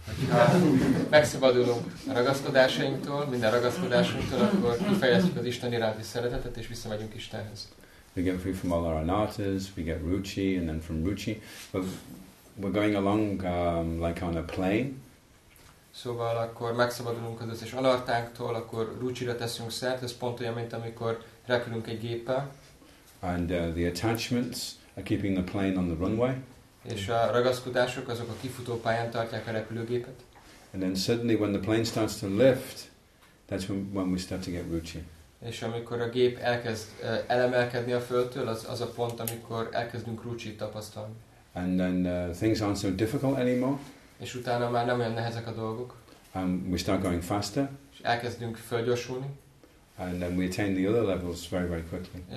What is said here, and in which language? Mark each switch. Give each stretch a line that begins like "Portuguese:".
Hungarian: Ha megszabadulunk a ragaszkodásainktól, minden ragaszkodásunktól, akkor kifejezzük az Isten iránti szeretetet, és visszamegyünk Istenhez.
English: We get free from all our anattas, we get ruchi, and then from ruchi, we're going along like on a plane.
Hungarian: Szóval akkor megszabadulunk az összes anattánktól, akkor ruchira teszünk szert, ez pont olyan, mint amikor repülünk egy géppel.
English: And the attachments are keeping the plane on the runway.
Hungarian: És a ragaszkodások azok a kifutópályán tartják a repülőgépet.
English: And then suddenly when the plane starts to lift, that's when we start to get ruchi.
Hungarian: És amikor a gép elkezd elemelkedni a földtől, az a pont, amikor elkezdünk ruchit tapasztalni.
English: And then things aren't so difficult anymore.
Hungarian: És utána már nem olyan nehezek a dolgok.
English: And we start going faster.
Hungarian: És elkezdünk fölgyorsulni.
English: And then we attain the other levels very, very quickly.